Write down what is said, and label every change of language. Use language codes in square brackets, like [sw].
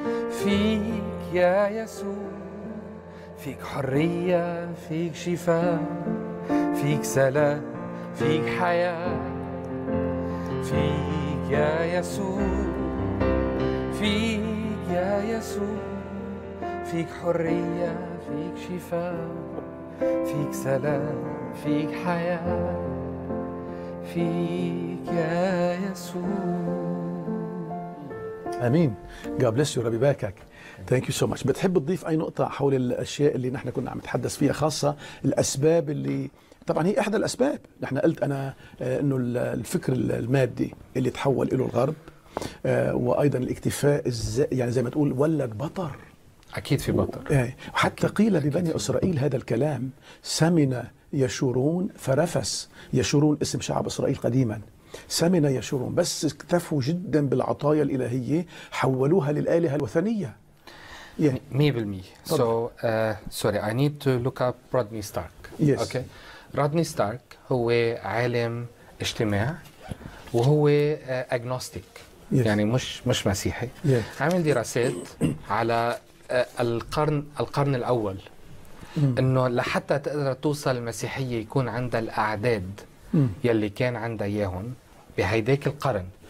[ar] فيك يا يسوع فيك حرية فيك شفاء فيك سلام فيك حياة فيك يا يسوع فيك يا يسوع فيك حرية فيك شفاء فيك سلام فيك حياة فيك يا يسوع آمين [en] God bless you [ar] ربي باركك [en] Thank you so much. [ar] بتحب تضيف أي نقطة حول الأشياء اللي نحن كنا عم نتحدث فيها خاصة الأسباب اللي طبعا هي أحد الأسباب نحن قلت أنا أنه الفكر المادي اللي تحول إله الغرب وأيضا الاكتفاء يعني زي ما تقول ولد بطر أكيد في بطر وحتى أكيد. قيل لبني إسرائيل هذا الكلام سمن يشورون فرفس يشورون اسم شعب إسرائيل قديما سمن يشورون بس اكتفوا جدا بالعطايا الإلهية حولوها للآلهة الوثنية [en] Yeah. 100% So, sorry, I need to look up Rodney Stark. Yes. Okay. [ar] Rodney Stark هو عالم اجتماع وهو agnostic. [en] Yes. [ar] يعني مش مسيحي. [en] Yes. [ar] عمل دراسات على القرن الأول إنه لحتى تقدر توصل المسيحية يكون عندها الأعداد يلي كان عندها إياهن بهيداك القرن.